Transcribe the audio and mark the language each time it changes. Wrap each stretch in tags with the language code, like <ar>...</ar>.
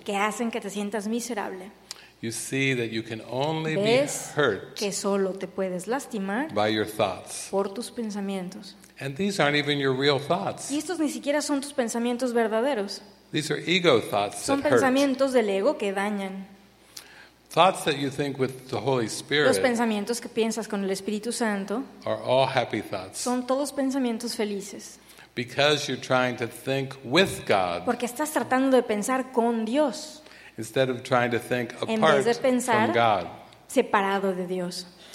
<es>Que hacen que te sientas miserable.</es> <en>You see that you can only</en> <es>ves</es> <en>be hurt</en> <es>que solo te puedes lastimar</es> <en>by your thoughts.</en> <es>Por tus pensamientos.</es> <en>And these aren't even your real thoughts.</en> <es>Y estos ni siquiera son tus pensamientos verdaderos.</es> <en>These are ego thoughts</en> <es>son</es> <en>that</en> <es>pensamientos</es> <en>hurt</en> <es>del ego que dañan.</es> <en>Thoughts that you think with the Holy Spirit.</en> <es>Los pensamientos que piensas con el Espíritu Santo.</es> <en>Are all happy thoughts.</en> <es>Son todos pensamientos felices.</es> <en>Because you're trying to think with God.</en> <es>Porque estás tratando de pensar con Dios.</es> <en>Instead of trying to think apart</en> <es>en vez de pensar</es> <en>from God.</en> <es>Separado de Dios.</es>